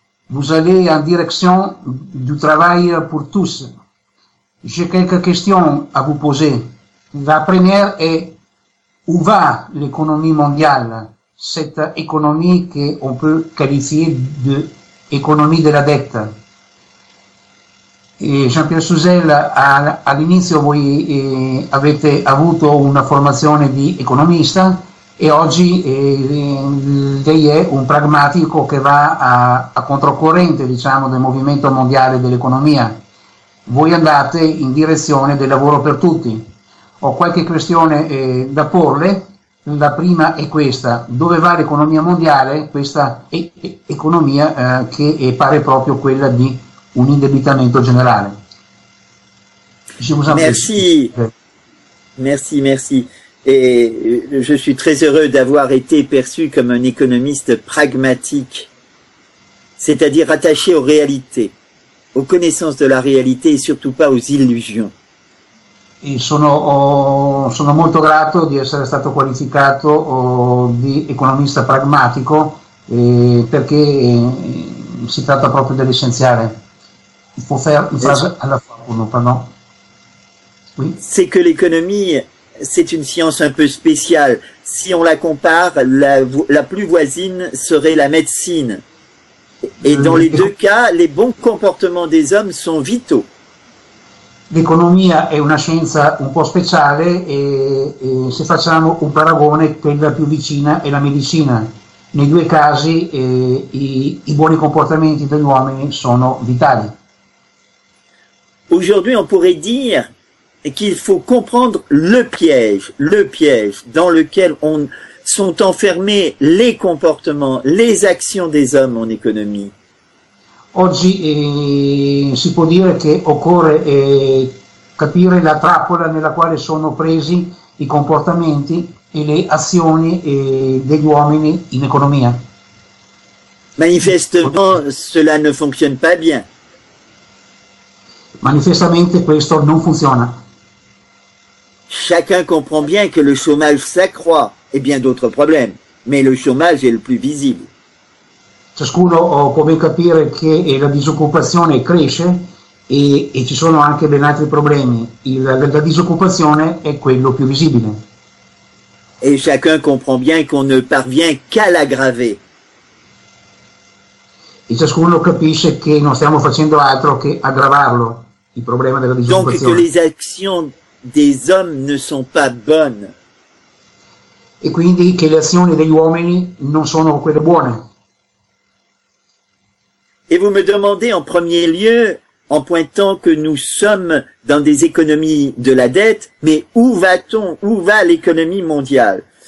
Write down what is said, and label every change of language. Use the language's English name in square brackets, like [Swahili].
[French] Vous allez en direction du travail pour tous. J'ai quelques questions à vous poser. La première est: où va l'économie mondiale, cette économie qu'on peut qualifier d'économie della dette? [Italian] Et Jean-Pierre Souzel, all'inizio voi avete avuto una formazione di economista e oggi lei è un pragmatico che va a controcorrente, diciamo, del movimento mondiale dell'economia. Voi andate in direzione del lavoro per tutti. Ho qualche questione da porle. La prima è questa: dove va l'economia mondiale? Questa economia che pare proprio quella di un indebitamento generale. [French] Je vous en prie. Merci, merci, merci. Et je suis très heureux d'avoir été perçu comme un économiste pragmatique, c'est-à-dire attaché aux réalités, aux connaissances de la réalité et surtout pas aux illusions. [Italian] E sono molto grato di essere stato qualificato di economista pragmatico perché si tratta proprio dell'essenziale. Può fare una frase alla formula, pardon. [French] C'est que l'économie, c'est une science un peu spéciale. Si on la compare, la plus voisine serait la médecine. Et dans les deux cas, les bons comportements des hommes sont vitaux. [Italian] L'economia è una scienza un po' speciale e se facciamo un paragone, quella più vicina è la medicina. Nei due casi i buoni comportamenti degli uomini sono vitali. [French] Aujourd'hui, on pourrait dire et qu'il faut comprendre le piège dans lequel sont enfermés les comportements, les actions des hommes en économie. [Italian] Oggi si può dire che occorre capire la trappola nella quale sono presi i comportamenti e le azioni degli uomini in economia. [French] Manifestement, cela ne fonctionne pas bien. [Italian] Manifestamente questo non funziona. [French] Chacun comprend bien que le chômage s'accroît et bien d'autres problèmes, mais le chômage est le plus visible. [Italian] Ciascuno può ben capire che la disoccupazione cresce e ci sono anche ben altri problemi. La disoccupazione è quello più visibile. [French] Et chacun comprend bien qu'on ne parvient qu'à l'aggraver. [Italian] E ciascuno capisce che non stiamo facendo altro che aggravarlo, il problema della [French] Donc que [Italian] disoccupazione. [French] les actions des hommes ne sont pas bonnes. [Italian] E quindi che le azioni degli uomini non sono quelle buone. [French] Et vous me demandez en premier lieu, en pointant que nous sommes dans des économies de la dette, mais où va-t-on? Où va l'économie mondiale?